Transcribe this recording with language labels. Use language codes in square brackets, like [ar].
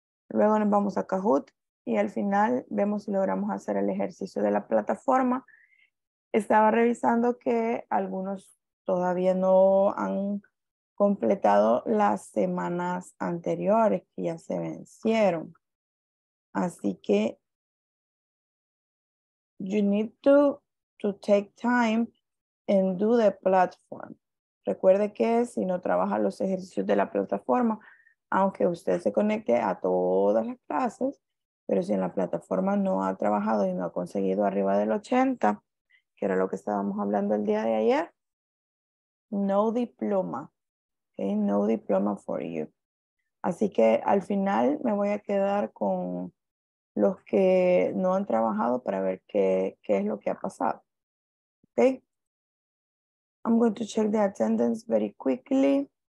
[es] Luego nos vamos a Kahoot y al final vemos si logramos hacer el ejercicio de la plataforma. Estaba revisando que algunos todavía no han completado las semanas anteriores, que ya se vencieron. Así que [en] you need to take time and do the platform. [es] Recuerde que si no trabaja los ejercicios de la plataforma, aunque usted se conecte a todas las clases, pero si en la plataforma no ha trabajado y no ha conseguido arriba del 80, que era lo que estábamos hablando el día de ayer, no diploma. [en] Okay? No diploma for you. [es] Así que al final me voy a quedar con los que no han trabajado para ver qué es lo que ha pasado. Okay? [en] I'm going to check the attendance very quickly.